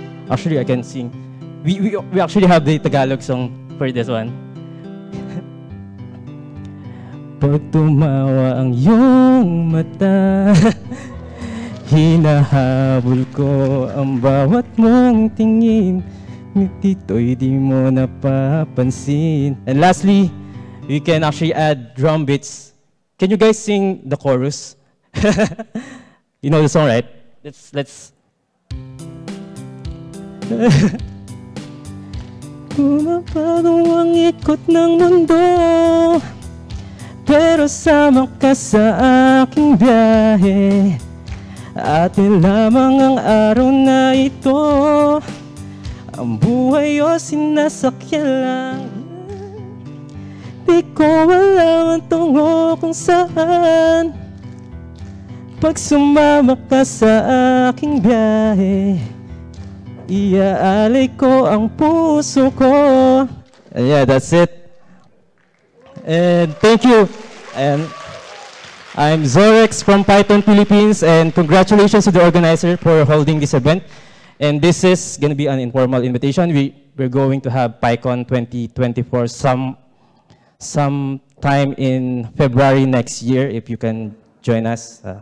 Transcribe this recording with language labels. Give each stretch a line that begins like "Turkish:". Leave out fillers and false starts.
English: Actually, I can sing. We actually have the Tagalog song for this one.
Filipino: Pag tumawa ang iyong mata, hinahabol ko ang bawat mong tingin, dito'y di mo napapansin.
English: And lastly, we can actually add drum beats. Can you guys sing the chorus? You know the song, right? Let's.
Filipino: Pumapago ang ikot ng mundo, pero sama ka sa aking biyahe. Atin lamang ang araw na ito, ang buhay o sinasakyan lang. Di ko alam ang tungo kung saan, pag sumama ka sa aking biyahe, iaalay ko ang puso ko
English: And yeah, that's it. And thank you. And I'm Zorex from Python Philippines, and congratulations to the organizer for holding this event. And this is going to be an informal invitation. We're going to have PyCon 2024 some time in February next year, if you can join us.